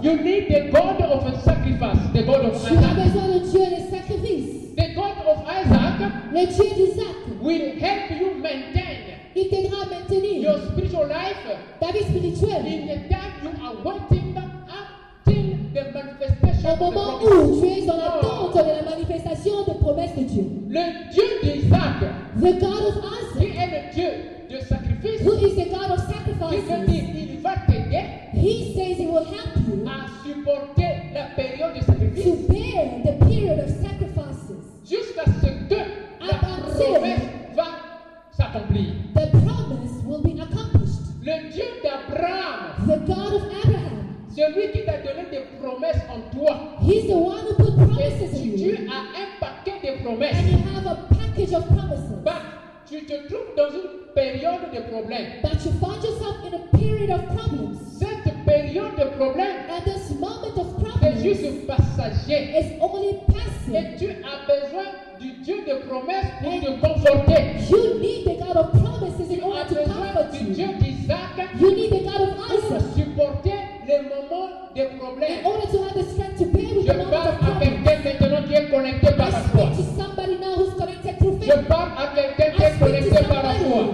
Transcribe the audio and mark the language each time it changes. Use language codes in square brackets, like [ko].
[en] You need the God of a sacrifice, the God of [fr] tu [en] Isaac. [fr] Tu as besoin de Dieu des sacrifices. [en] The God of Isaac. [fr] Le Dieu d'Isaac. [en] Will help you maintain. [fr] Il t'aidera à maintenir. [en] Your spiritual life. [fr] Ta vie spirituelle. [en] In the time you are waiting until the manifestation. [fr] Au moment [en] of the [fr] où tu es dans l'attente de la manifestation des promesses de Dieu. Le Dieu d'Isaac. [en] The God of Isaac. [fr] Qui est le Dieu de sacrifice. [en] Who is the God of sacrifices? [fr] Qui veut dire, il va [en] He says he will help you [fr] à supporter la période de sacrifice. [en] To bear the period of sacrifices. [fr] Jusqu'à ce que la promesse va s'accomplir. [en] The promise will be accomplished. [fr] Le Dieu d'Abraham. [en] The God of Abraham. [fr] Celui qui t'a donné des promesses en toi. [en] He's the one who put promises in you. [fr] Dieu a un paquet de promesses. [en] And you have a package of promises. [fr] But tu te trouves dans une période de problèmes. [en] But you find yourself in a period of problems. [fr] Cette période de problèmes. [en] At this moment of problems. [fr] Est juste passager. [en] It's only passing. [fr] Et tu as besoin du Dieu de promesses pour te conforter. [en] You need the God of promises in order to comfort you. [fr] Tu as besoin du Dieu d'Isaac. [en] You need the God of Isaac. [fr] Pour supporter les moments de problèmes. [en] In order to have the strength to bear with [fr] Je [en] the moments of problems. [fr] Je parle à quelqu'un maintenant qui est connecté par la foi. [en] I speak to somebody now who's connected through faith. [fr] Je parle à quelqu'un qui est connecté par la foi.